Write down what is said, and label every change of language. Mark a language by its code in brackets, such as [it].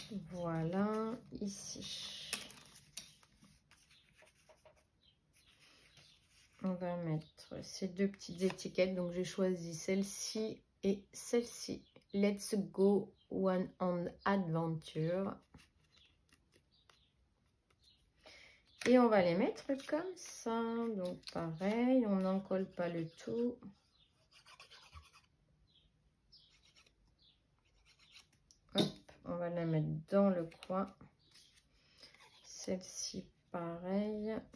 [fr] Voilà, ici. On va mettre ces deux petites étiquettes. Donc, j'ai choisi celle-ci et celle-ci. [en] Let's go one on adventure. [fr] Et on va les mettre comme ça. Donc, pareil, on n'en colle pas le tout. On va la mettre dans le coin. Celle-ci, pareil.